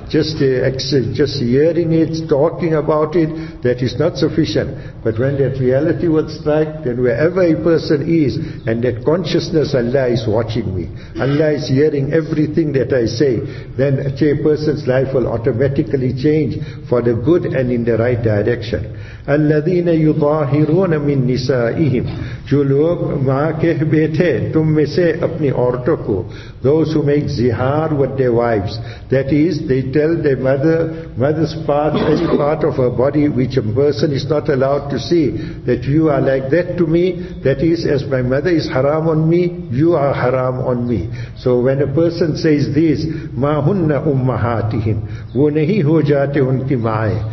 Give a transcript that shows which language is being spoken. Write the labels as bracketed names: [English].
[English] Just hearing it, talking about it, that is not sufficient. But when that reality will strike, then wherever a person is, and that consciousness, Allah is watching me, Allah is hearing everything that I say, then a person's life will automatically change for the good and in the right direction. [Arabic] الَّذِينَ يُطَاهِرُونَ مِن نِسَائِهِمْ [Urdu] جو لوگ ماں کہہ بیٹھے تم میں سے اپنی عورتوں کو. [English] Those who make zihar with their wives. That is, they tell their mother's part, any part of her body which a person is not allowed to see, that you are like that to me. That is, as my mother is haram on me, you are haram on me. So when a person says this, [Arabic] مَا هُنَّ أُمَّهَاتِهِمْ [Urdu] وہ نہیں ہو جاتے ان کی ماں.